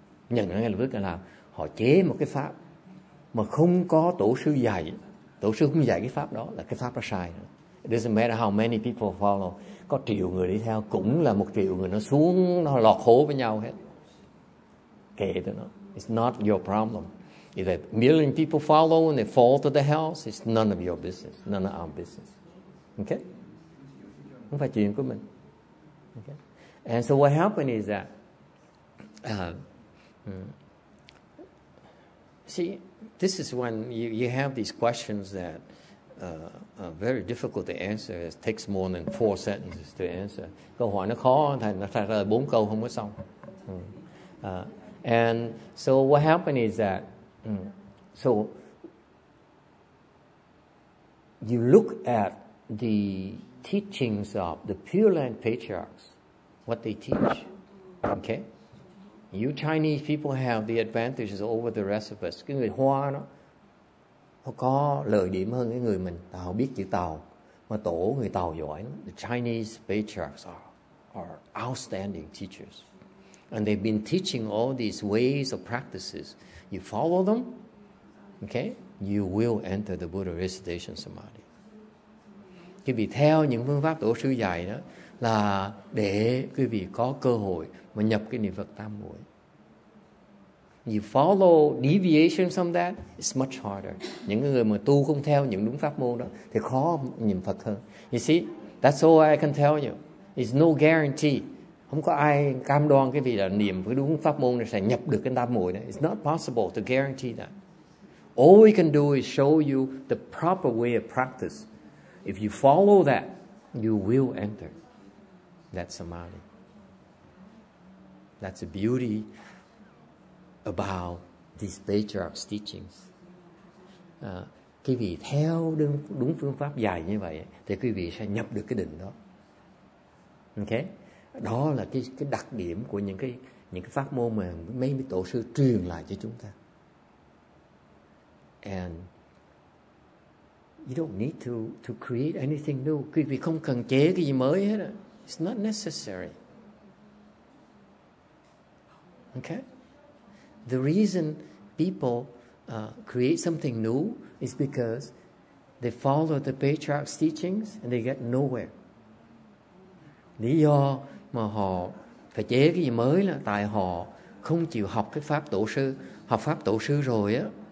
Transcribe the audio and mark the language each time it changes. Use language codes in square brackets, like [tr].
[vi] Nhận ra ngay lập tức là họ chế một cái pháp mà không có tổ sư dạy, tổ sư không dạy cái pháp đó, là cái pháp đó sai. [en] It doesn't matter how many people follow, [vi] có 1,000,000 người đi theo cũng là 1,000,000 người nó xuống, nó lọt hố với nhau hết. Kệ tụi nó. [en] It's not your problem. If a million people follow and they fall to the hell, it's none of your business, none of our business. Okay? [vi] Không phải chuyện của mình. [en] Okay? And so what happened is that, see, this is when you have these questions that are very difficult to answer. It takes more than 4 sentences to answer. [vi] Câu hỏi nó khó, thành nó trả lời 4 câu không có xong. [en] And so what happened is that, so you look at the teachings of the Pure Land patriarchs, what they teach, okay? You Chinese people have the advantages over the rest of us. [vi] Cái người Hoa đó, họ có lợi điểm hơn cái người mình. Họ biết chữ Tàu, mà tổ người Tàu giỏi. [en] The Chinese patriarchs are outstanding teachers. And they've been teaching all these ways of practices. You follow them, okay? You will enter the Buddha recitation samadhi. [vi] quý vị theo những phương pháp tổ sư dạy đó là để quý vị có cơ hội mà nhập cái niệm Phật tam muội. [en] You follow deviation from that, it's much harder. [vi] Những người mà tu không theo những đúng pháp môn đó thì khó nhìn Phật hơn. [en] You see, that's all I can tell you. It's no guarantee. [vi] Không có ai cam đoan cái vị là niệm với đúng pháp môn này sẽ nhập được cái tam muội đó. [en] It's not possible to guarantee that. All we can do is show you the proper way of practice. If you follow that, you will enter that samadhi. That's the beauty about these patriarch's teachings. [vi] Quý vị theo đúng phương pháp dài như vậy thì quý vị sẽ nhập được cái định đó. Okay? Đó là cái đặc điểm của những cái pháp môn mà mấy tổ sư truyền lại cho chúng ta. [en] And you don't need to create anything new. [vi] Quý vị không cần chế cái gì mới hết. [en] It's not necessary. Okay? The reason people create something new is because they follow the patriarch's teachings and they get nowhere. [vi] Lý do mà họ phải chế cái gì mới là tại họ không chịu học cái pháp tổ sư, học pháp tổ sư rồi á.